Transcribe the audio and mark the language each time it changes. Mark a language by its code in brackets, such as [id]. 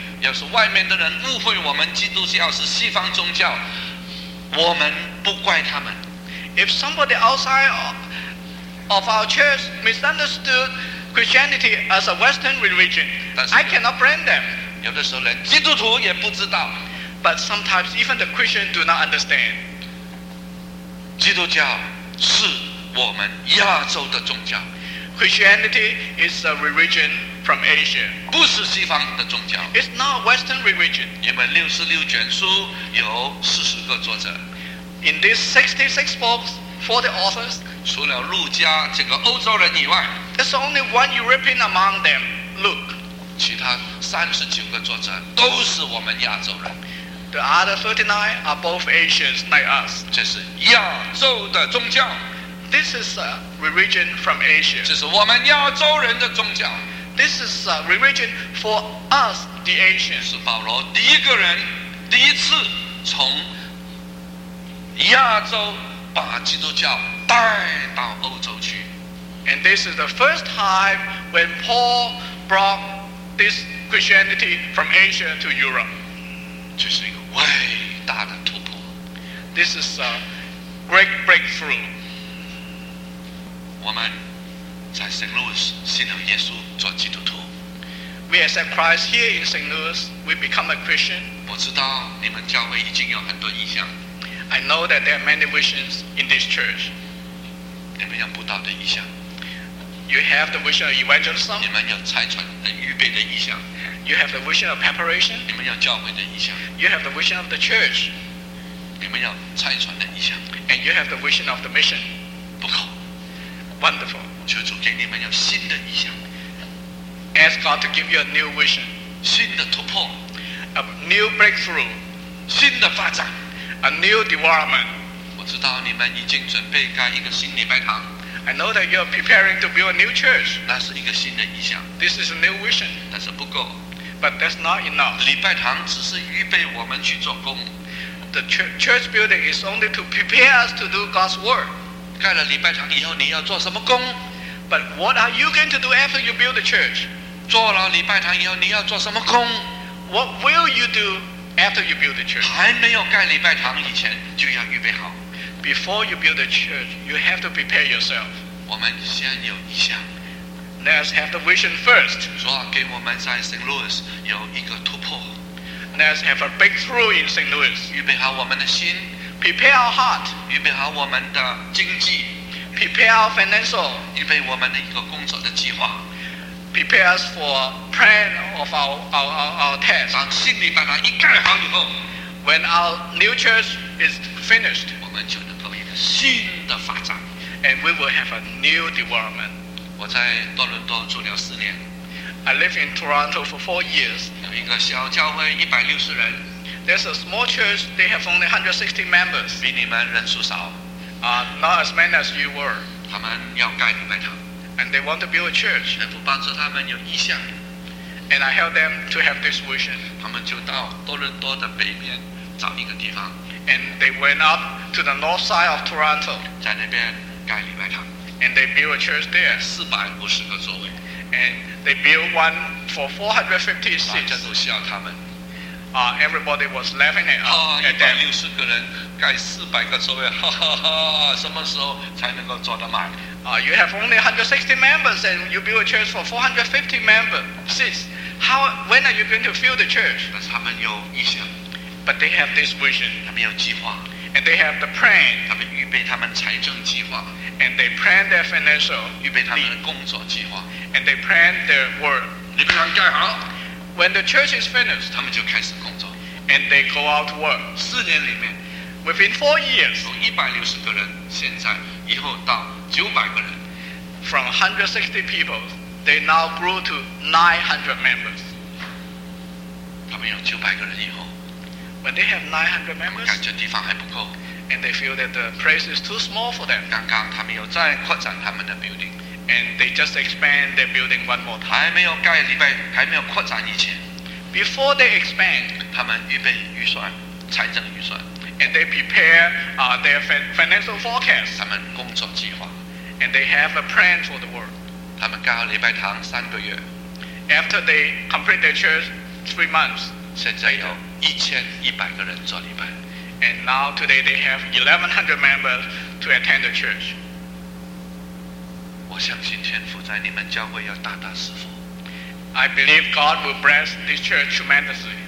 [zh] 要是外面的人误会我们基督教是西方宗教我们不怪他们。 [en] If somebody outside of our church misunderstood Christianity as a Western religion, I cannot blame them. [zh] 有的时候连基督徒也不知道。 [en] But sometimes even the Christians do not understand. [zh] 基督教是我们亚洲的宗教。 [en] Christianity is a religion from Asia. [zh] 不是西方的宗教。 [en] It's not Western religion. [zh] 因为66卷书有40个作者。 [en] In these 66 books, 40 authors, [zh] 除了路加这个欧洲人以外 [en] There's only one European among them, Luke. [zh] 其他三十九个作者都是我们亚洲人。 [en] The other 39 are both Asians like us. [zh] 这是亚洲的宗教。 [en] This is a religion from Asia. [zh] 这是我们亚洲人的宗教。 [en] This is a religion for us, the Asians. [zh] 是保罗第一个人第一次从亚洲把基督教带到欧洲去。 [en] And this is the first time when Paul brought this Christianity from Asia to Europe. [zh] 这是一个伟大的突破。 [en] This is a great breakthrough. [zh] 我们在 St. Louis 信了耶稣做基督徒。 [en] We accept Christ here in St. Louis. We become a Christian. [zh] 我知道你们教会已经有很多异象。 [en] I know that there are many visions in this church. [zh] 你们有布道的异象。 [en] You have the vision of evangelism. [zh] 你们有拆穿的预备的异象。 [en] You have the vision of preparation. [zh] 你们有教会的异象。 [en] You have the vision of the church. [zh] 你们有拆穿的异象。 [en] And you have the vision of the mission. [zh] 不够。 [en] Wonderful. [zh] 求主给你们有新的异象。 [en] Ask God to give you a new vision. [zh] 新的突破。 [en] A new breakthrough. [zh] 新的发展。 [en] A new development. [zh] 我知道你们已经准备盖一个新礼拜堂。 [en] I know that you are preparing to build a new church. [zh] 那是一个新的意向。 [en] This is a new vision. [zh] 但是不够。 [en] But that's not enough. [zh] 礼拜堂只是预备我们去做工。 [en] The church building is only to prepare us to do God's work. [zh] 盖了礼拜堂以后你要做什么工？ [en] But what are you going to do after you build the church? [zh] 做了礼拜堂以后你要做什么工？ [en] What will you do after you build the church? [zh] 还没有盖礼拜堂以前就要预备好。 [en] Before you build the church, you have to prepare yourself. [zh] 我们先有意向。 [en] Let's have the vision first. [zh] 说给我们在 St. Louis 有一个突破。 [en] Let's have a breakthrough in St. Louis. [zh] 预备好我们的心。 [en] Prepare our heart. [zh] 预备好我们的经济。 [en] Prepare our financial. [zh] 预备我们的一个工作的计划。 [en] Prepare us for a plan of our task. [zh] 当新礼拜堂一盖好以后。 [en] When our new church is finished. [zh] 我们就能够有一个新的发展。 [en] And we will have a new development. [zh] 我在多伦多住了四年。 [en] I live in Toronto for 4 years. [zh] 有一个小教会160人。 [en] There's a small church, they have only 160 members. [zh] 比你们人数少。 [en] Not as many as you were. [zh] 他们要盖礼拜堂。 [en] And they want to build a church. [zh] 神父帮助他们有意向。 [en] And I help them to have this vision. [zh] 他们就到多伦多的北边找一个地方。 [en] And they went up to the north side of Toronto. [zh] 在那边盖礼拜堂。 [en] And they built a church there. [zh] 450个座位。 [en] And they built one for 450 seats. [zh] 大家都笑他们。 [en] Everybody was laughing at them. [zh] 160个人盖400个座位，哈哈哈！什么时候才能够做得满？ [en] You have only 160 members and you build a church for 450 members. Sis, when are you going to fill the church? [zh] 但是他们有意向。 [en] But they have this vision. [zh] 他们有计划。 [en] And they have the plan. [zh] 他们预备他们财政计划。 [en] And they plan their financial. [zh] 预备他们的工作计划。 [en] And they plan their work. [zh] 礼拜堂盖好。 [en] When the church is finished, [zh] 他们就开始工作。 [en] And they go out to work. [zh] 四年里面。 [en] Within 4 years. [zh] 从160个人现在以后到900个人。 [en] From 160 people, they now grew to 900 members. [zh] 他们有900个人以后。 [en] When they have 900 members, [zh] 感觉地方还不够。 [en] And they feel that the place is too small for them. [zh] 刚刚他们又再扩展他们的 building。 [en] And they just expand their building one more time. [zh] 还没有盖礼拜，还没有扩展以前。 [en] Before they expand, [zh] 他们预备预算，财政预算。 [en] And they prepare their financial forecast. [zh] 他们工作计划。 [en] And they have a plan for the work. [zh] 他们盖好礼拜堂三个月。 [en] After they complete their church 3 months. [zh] 现在有1100个人做礼拜。 [en] And now today they have 1100 members to attend the church. [zh] 我相信天父在你们教会要大大施福。 [en] I believe God will bless this church tremendously.